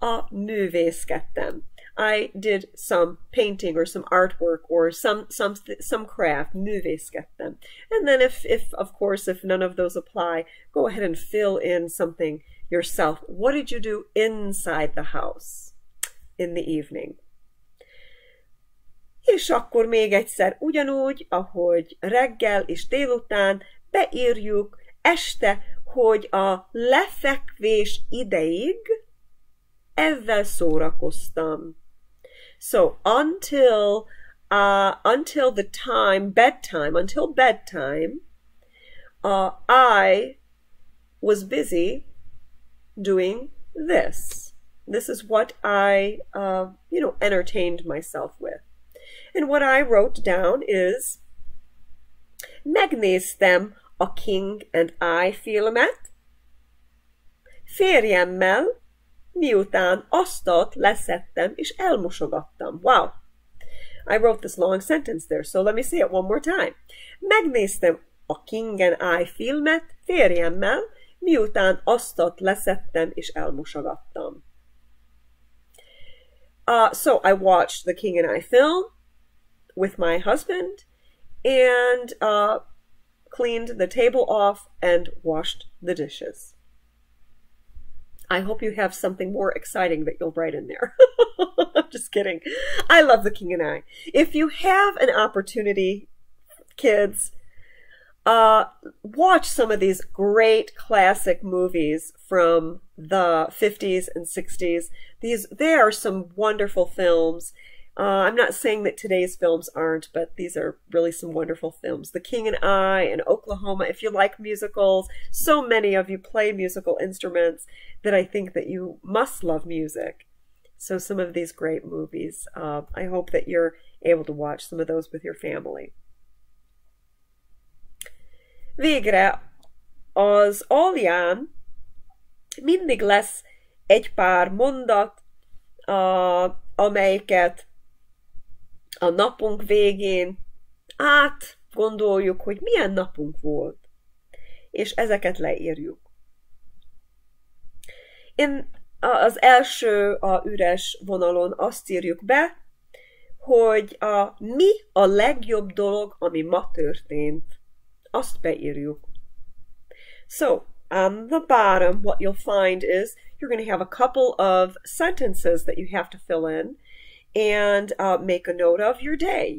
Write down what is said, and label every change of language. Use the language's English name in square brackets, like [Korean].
[Hungarian] Művészkedtem. [English] I did some painting or some artwork or some craft. [Hungarian] Művészkedtem. [English] And then if none of those apply, go ahead and fill in something yourself. What did you do inside the house in the evening? [Hungarian] És akkor még egyszer, ugyanúgy, ahogy reggel és délután, beírjuk este, hogy a lefekvés ideig ezzel szórakoztam. [English] So, until the time, bedtime, until bedtime, I was busy doing this. This is what I, entertained myself with. And what I wrote down is, [Hungarian] megnéztem a King and I filmet, férjemmel, miután asztalt leszettem és elmosogattam. [English] Wow! I wrote this long sentence there, so let me say it one more time. [Hungarian] Megnéztem a King and I filmet, férjemmel, miután asztalt leszettem és elmosogattam. [English] So I watched the King and I film with my husband and cleaned the table off and washed the dishes. I hope you have something more exciting that you'll write in there. I'm just kidding. I love the King and I. If you have an opportunity, kids, watch some of these great classic movies from the 50s and 60s. They are some wonderful films. I'm not saying that today's films aren't, but these are really some wonderful films. The King and I and Oklahoma. If you like musicals, so many of you play musical instruments that I think that you must love music. So some of these great movies, I hope that you're able to watch some of those with your family. [Hungarian] Végre az alján mindig lesz egy pár mondat, amelyeket a napunk végén átgondoljuk, hogy milyen napunk volt, és ezeket leírjuk. Az első üres vonalon azt írjuk be, hogy mi a legjobb dolog, ami ma történt. Azt beírjuk. [English] So, on the bottom, what you'll find is you're going to have a couple of sentences that you have to fill in and make a note of your day.